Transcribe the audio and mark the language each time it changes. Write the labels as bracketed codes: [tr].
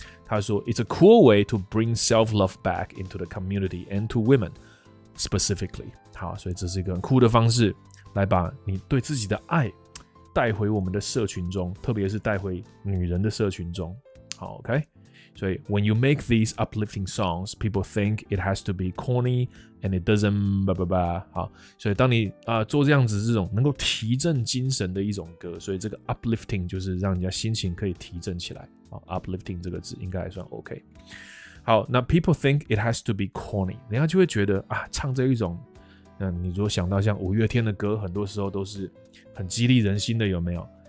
[zh] 他说 [en] It's a cool way to bring self-love back into the community and to women specifically。 [zh] 好，所以这是一个很酷的方式来把你对自己的爱带回我们的社群中，特别是带回女人的社群中。好 ，OK。所以 [en] ，when you make these uplifting songs, people think it has to be corny and it doesn't. Blah blah blah。 [zh] 好，所以当你做这样子这种能够提振精神的一种歌，所以这个 uplifting 就是让人家心情可以提振起来。好 ，uplifting 这个字应该还算 OK。好，那 [en] people think it has to be corny， [zh] 人家就会觉得啊，唱这一种。那你如果想到像五月天的歌，很多时候都是很激励人心的，有没有？